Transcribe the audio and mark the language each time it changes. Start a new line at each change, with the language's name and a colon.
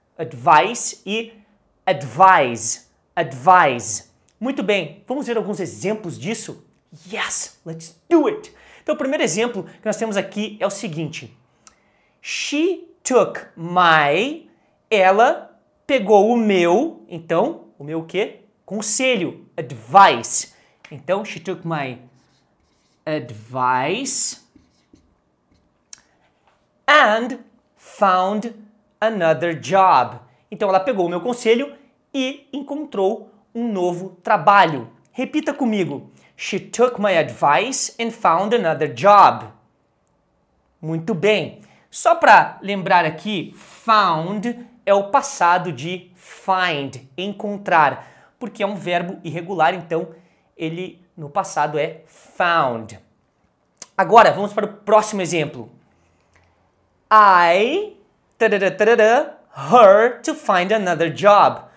Portuguese: Advice e advise. Advise. Muito bem. Vamos ver alguns exemplos disso?
English: Yes, let's do it.
Portuguese: Então, o primeiro exemplo que nós temos aqui é o seguinte.
English: She took my,
Portuguese: ela pegou o meu, então, o meu o quê? Conselho, advice.
English: Então, she took my advice and found another job.
Portuguese: Então, ela pegou o meu conselho e encontrou um novo trabalho. Repita comigo.
English: She took my advice and found another job.
Portuguese: Muito bem. Só para lembrar aqui, found é o passado de find, encontrar, porque é um verbo irregular, então ele no passado é found. Agora, vamos para o próximo exemplo.
English: I her to find another job.